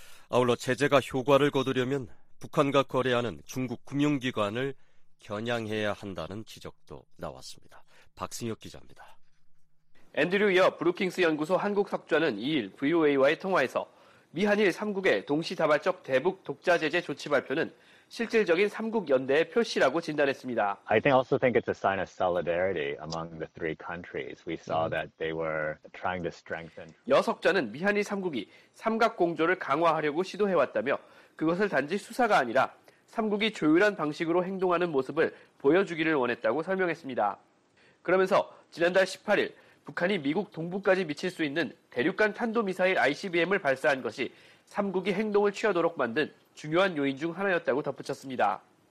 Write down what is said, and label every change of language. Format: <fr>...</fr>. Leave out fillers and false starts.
<ko>아울러 제재가 효과를 거두려면 북한과 거래하는 중국 금융기관을 겨냥해야 한다는 지적도 나왔습니다. 박승혁 기자입니다. 앤드류 이어 브루킹스 연구소 한국 석좌는 2일 VOA와의 통화에서 미한일 3국의 동시다발적 대북 독자 제재 조치 발표는 실질적인 3국 연대의 표시라고 진단했습니다.</ko> <en>I think also think it's a sign of solidarity among the three countries. We saw that they were trying to strengthen.</en> <ko>여석자는 미한일 3국이 삼각공조를 강화하려고 시도해왔다며 그것을 단지 수사가 아니라 3국이 조율한 방식으로 행동하는 모습을 보여주기를 원했다고 설명했습니다. 그러면서 지난달 18일 북한이 미국 동부까지 미칠 수 있는 대륙간 탄도미사일 ICBM을 발사한 것이 3국이 행동을 취하도록 만든 중요한 요인 중 하나였다고 덧붙였습니다.</ko>